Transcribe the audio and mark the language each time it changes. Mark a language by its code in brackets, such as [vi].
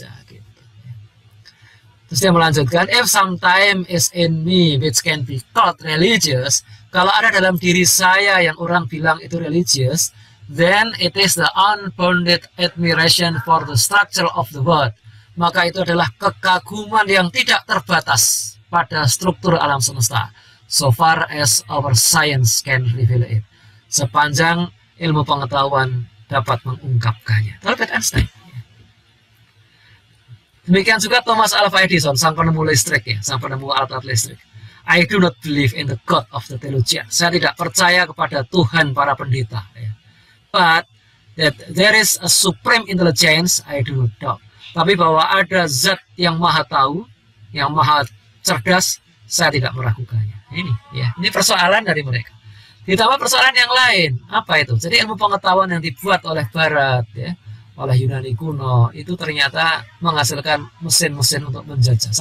[id] Ya, gitu. Terus dia melanjutkan, [en] if sometime is in me which can be called religious, [id] kalau ada dalam diri saya yang orang bilang itu religious, [en] then it is the unbounded admiration for the structure of the world. [id] Maka itu adalah kekaguman yang tidak terbatas pada struktur alam semesta. [en] So far as our science can reveal it. [id] Sepanjang ilmu pengetahuan dapat mengungkapkannya. Albert Einstein. Demikian juga Thomas Alva Edison, sang penemu listrik ya, sang penemu alat-alat listrik. [en] I do not believe in the God of the Telugian. [id] Saya tidak percaya kepada Tuhan para pendeta. Ya. [en] But that there is a supreme intelligence, I do not doubt. [id] Tapi bahwa ada zat yang maha tahu, yang maha cerdas, saya tidak meragukannya. Ini ya, ini persoalan dari mereka. Ditambah persoalan yang lain, apa itu? Jadi ilmu pengetahuan yang dibuat oleh Barat, ya, oleh Yunani kuno, itu ternyata menghasilkan mesin-mesin untuk menjajah.